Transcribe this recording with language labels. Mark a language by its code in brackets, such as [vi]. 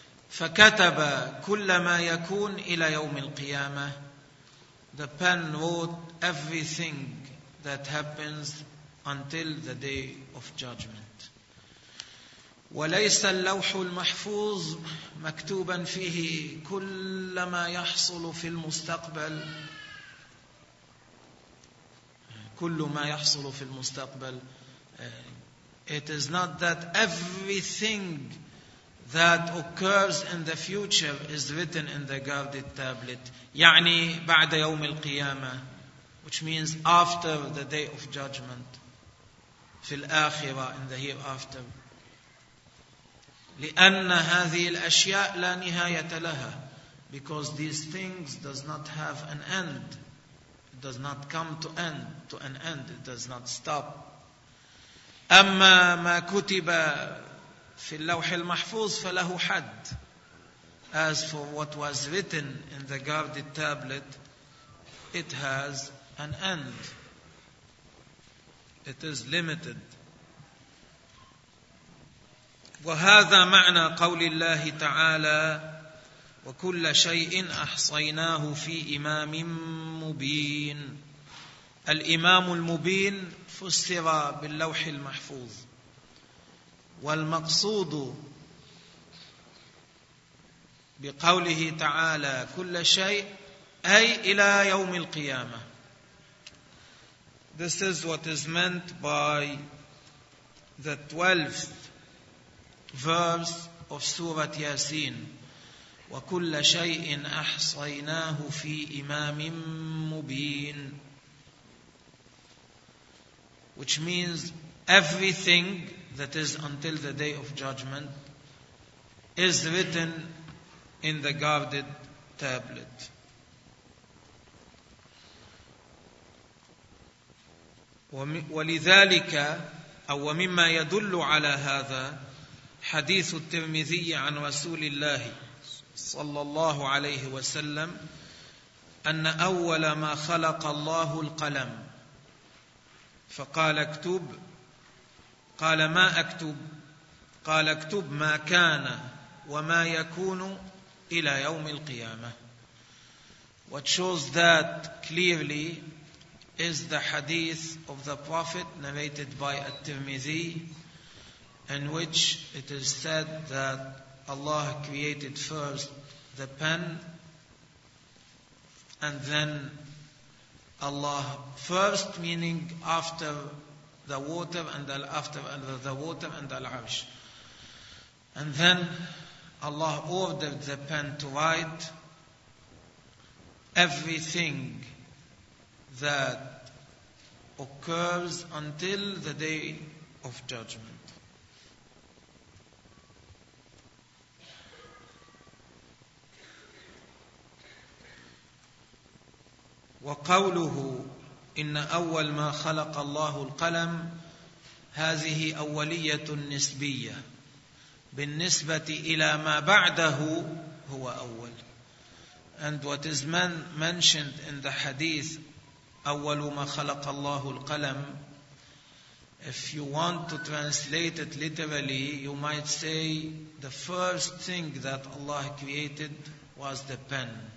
[ar] فكتب كل ما يكون إلى يوم القيامة. [en] The pen wrote everything that happens until the day of judgment. [ar] وليس اللوح المحفوظ مكتوبا فيه كل ما يحصل في المستقبل. كل ما يحصل في المستقبل. [en] It is not that everything that occurs in the future is written in the guarded tablet. [ar] يعني بعد يوم القيامة, [en] which means after the day of judgment, [ar] في الآخرة, [en] in the hereafter. [ar] لأن هذه الأشياء لا نهاية لها, [en] because these things does not have an end. It does not come to end, to an end. It does not stop. [ar] أما ما كتب في اللوح المحفوظ فله حد. [en] As for what was written in the guarded tablet, it has an end. It is limited. [ar] وهذا معنى قول الله تعالى وكل شيء أحصيناه في إمام مبين. الإمام المبين فسر باللوح المحفوظ. والمقصود بقوله تعالى كل شيء أي إلى يوم القيامة. [en] This is what is meant by the 12th verse of Surah Yasin. [ar] وكل شيء أحصيناه في إمام مبين. [en] Which means everything that is until the day of judgment is written in the guarded tablet. [ar] ولذلك أو مما يدل على هذا حديث الترمذي عن رسول الله صلى الله عليه وسلم أن أول ما خلق الله القلم فقال اكتب قال ما أكتب قال اكتب ما كان وما يكون إلى يوم القيامة. [en] What shows that clearly is the hadith of the Prophet narrated by At-Tirmidhi, in which it is said that Allah created first the pen, and then Allah first, meaning after the water, and after the water and al-arsh. And then Allah ordered the pen to write everything that occurs until the day of judgment. [ar] وقوله إن أول ما خلق الله القلم هذه أولية نسبية بالنسبة إلى ما بعده هو أول. [en] And what is mentioned in the hadith [ar] أول ما خلق الله القلم, [en] if you want to translate it literally, you might say the first thing that Allah created was the pen.